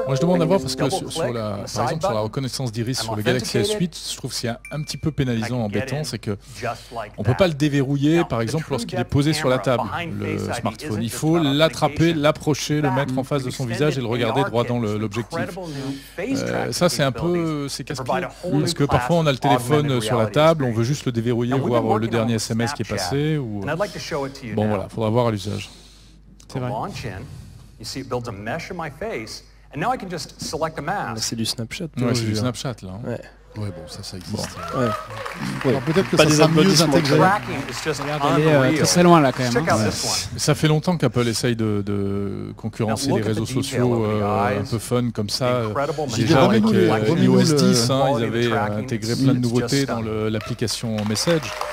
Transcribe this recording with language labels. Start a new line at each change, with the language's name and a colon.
French: moi je demande à voir parce que par exemple sur la reconnaissance d'iris sur le Galaxy S8, je trouve qu'il y a un petit peu pénalisant, embêtant, c'est que on ne peut pas le déverrouiller par exemple lorsqu'il est posé sur la table, le smartphone. Il faut l'attraper, l'approcher, le mettre en face de son visage et le regarder droit dans l'objectif. Ça c'est un peu, c'est casse-pied parce que parfois on a le téléphone sur la table, on veut juste le déverrouiller, voir le dernier SMS qui est passé. Bon voilà, il faudra voir à l'usage. C'est vrai.
English: You see, it builds a mesh in my face, and now I can just select a mask.
French: C'est du Snapchat. Ouais, c'est du Snapchat là. Hein. Ouais. Ouais, bon, ça existe. Bon. Ouais. Alors, peut-être que pas ça sera mieux intégré. Très loin là quand même. Ouais. Ça fait longtemps qu'Apple essaye de concurrencer les réseaux sociaux un peu fun comme ça. Déjà avec iOS 10, ils avaient intégré plein de nouveautés dans l'application Message.